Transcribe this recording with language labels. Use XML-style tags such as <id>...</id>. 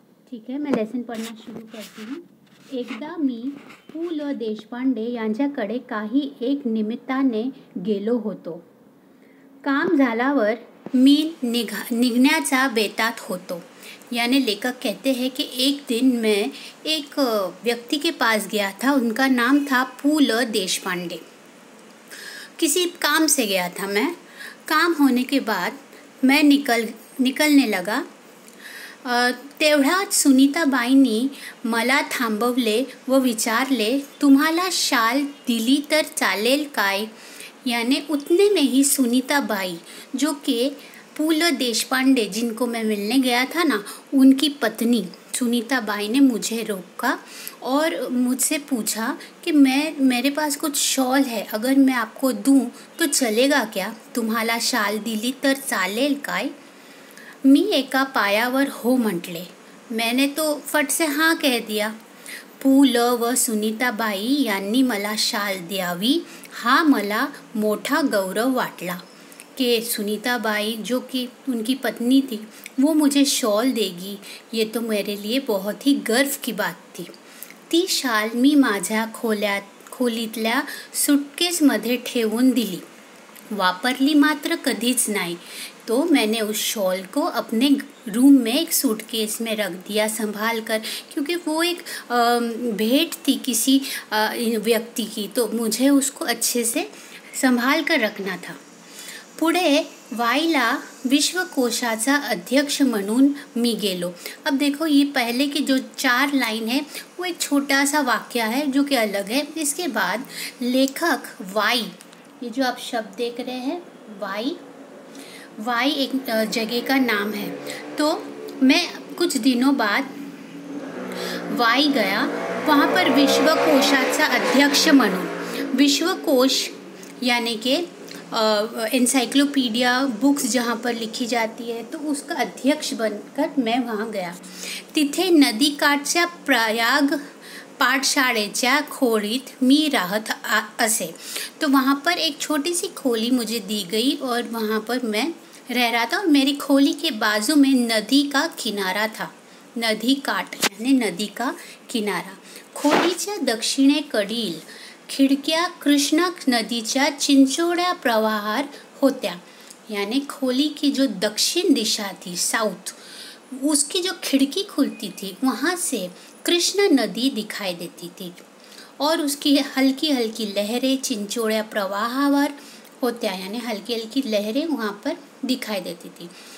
<hi>ठीक है, मैं लेसन पढ़ना शुरू करती हूँ।</hi> <mr>एकदा मी पु ल देशपांडे यांच्याकडे काही एक निमित्ताने गेलो होतो। काम झाल्यावर मी निघण्याचा बेतात होतो।</mr> <hi>यानी लेखक कहते हैं कि एक दिन मैं एक व्यक्ति के पास गया था, उनका नाम था पु ल देशपांडे। किसी काम से गया था मैं, काम होने के बाद मैं निकलने लगा।</hi> <mr>तेवढ्यात सुनीता बाईंनी मला थांबवले व विचारले, तुम्हाला शाल दिली तर चालेल काय।</mr> <hi>याने उतने में ही सुनीता बाई, जो कि पु ल देशपांडे, जिनको मैं मिलने गया था ना, उनकी पत्नी सुनीता बाई ने मुझे रोका और मुझसे पूछा कि मेरे पास कुछ शॉल है, अगर मैं आपको दूँ तो चलेगा क्या,</hi> <mr>तुम्हाला शाल दिली तर चालेल काय। मी एका पायावर हो म्हटले।</mr> <hi>मैंने तो फट से हाँ कह दिया।</hi> <mr>पु ल व सुनीता बाई यांनी मला शाल द्यावी हा मला मोठा गौरव वाटला,</mr> <hi>के सुनीता बाई जो कि उनकी पत्नी थी वो मुझे शॉल देगी, ये तो मेरे लिए बहुत ही गर्व की बात थी।</hi> <mr>ती शाल मी माझ्या खोलीतल्या सुटकेसमध्ये ठेवून दिली, वापरली मात्र कधीच नाही।</mr> <hi>तो मैंने उस शॉल को अपने रूम में एक सूटकेस में रख दिया संभाल कर, क्योंकि वो एक भेंट थी किसी व्यक्ति की, तो मुझे उसको अच्छे से संभाल कर रखना था।</hi> <mr>पुढे वाईला विश्वकोशाचा अध्यक्ष म्हणून मी गेलो।</mr> <hi>अब देखो, ये पहले की जो चार लाइन है वो एक छोटा सा वाक्य है जो कि अलग है। इसके बाद लेखक वाई, ये जो आप शब्द देख रहे हैं वाई, वाई एक जगह का नाम है। तो मैं कुछ दिनों बाद वाई गया, वहाँ पर</hi> <mr>विश्वकोशाचा अध्यक्ष म्हणून,</mr> <hi>विश्वकोश यानी कि एनसाइक्लोपीडिया बुक्स जहाँ पर लिखी जाती है, तो उसका अध्यक्ष बनकर मैं वहाँ गया।</hi> <mr>तिथे नदी काठच्या प्रयाग पाठशाळेच्या खोलीत मी राहत असे।</mr> <hi>तो वहाँ पर एक छोटी सी खोली मुझे दी गई और वहाँ पर मैं रह रहा था, और मेरी खोली के बाजू में नदी का किनारा था, नदी काट यानी नदी का किनारा।</hi> <mr>खोलीच्या दक्षिणे कडील खिड़क्या कृष्णा नदीच्या चिंचोड्या प्रवाहार होत्या।</mr> <hi>यानी खोली की जो दक्षिण दिशा थी, साउथ, उसकी जो खिड़की खुलती थी वहाँ से कृष्णा नदी दिखाई देती थी, और उसकी हल्की हल्की लहरें</hi> <mr>चिंचोड़ा प्रवाहावर होत्या,</mr> <hi>यानी हल्की हल्की लहरें वहाँ पर दिखाई देती थी।</hi>